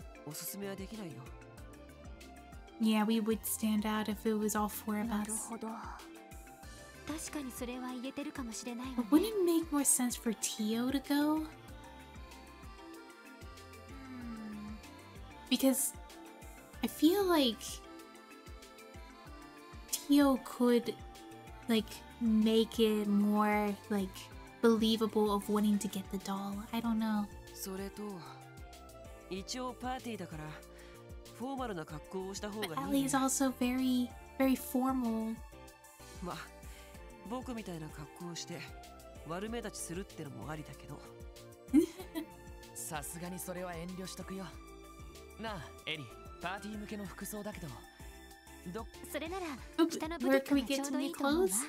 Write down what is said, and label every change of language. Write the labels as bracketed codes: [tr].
[ja] 4人連れで入るのは目立つからおすすめはできないよ。 Yeah, [en] we would stand out if it was all four of us. [ja] なるほど。確かにそれは言えてるかもしれないわね。 [en] But wouldn't it make more sense for Teo to go? Because I feel like Teo could like make it more like believable of wanting to get the doll. I don't know. [ja] それと、一応パーティーだから、フォーマルな格好をした方がいい、 [en] ね、But Ellie is also very, very formal. [ja] まあ、僕みたいな格好をして悪目立ちするってのもありだけど。さすがにそれは遠慮しとくよ。なあ、エリ、パーティー向けの服装だけど。どそれなら、北のブティックがちょうどいいと思うわ。